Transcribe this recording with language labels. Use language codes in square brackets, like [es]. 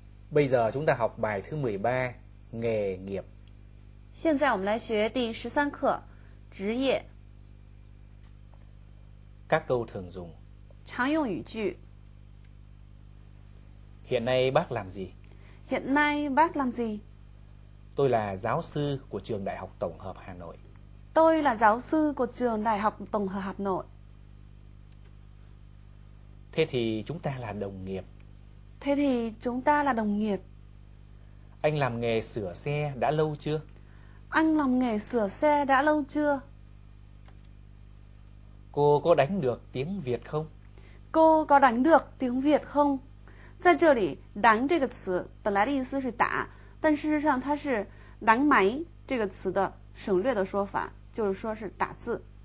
[vi] Bây giờ chúng ta học bài thứ 13, nghề nghiệp. [zh] 现在我们来学第13课, 职业. [vi] Các câu thường dùng. [zh] 常用语句. [vi] Hiện nay bác làm gì? Hiện nay bác làm gì? Tôi là giáo sư của trường Đại học Tổng hợp Hà Nội. Tôi là giáo sư của trường Đại học Tổng hợp Hà Nội. Thế thì chúng ta là đồng nghiệp. Thế thì chúng ta là đồng nghiệp. Anh làm nghề sửa xe đã lâu chưa? Anh làm nghề sửa xe đã lâu chưa? Cô có đánh được tiếng Việt không? Cô có đánh được tiếng Việt không? [zh] 在这里, đánh 这个词, 本来的意思是打, 但事实上它是 đánh máy 这个词的省略的说法, 就是说是打字.